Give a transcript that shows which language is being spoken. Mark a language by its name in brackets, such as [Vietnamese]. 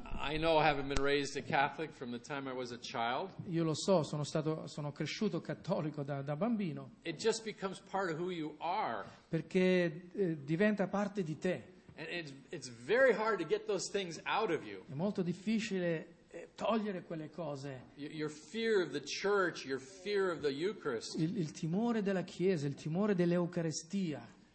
[English] I know I haven't been raised a Catholic from the time I was a child. [Italian] Io lo so, sono cresciuto cattolico da bambino. [English] It just becomes part of who you are. [Italian] Perché diventa parte di te. [English] And it's very hard to get those things out of you. [Italian] È molto difficile togliere quelle cose. [English] Your fear of the church, your fear of the Eucharist. [Italian] Il timore della Chiesa, il timore dell'Eucaristia.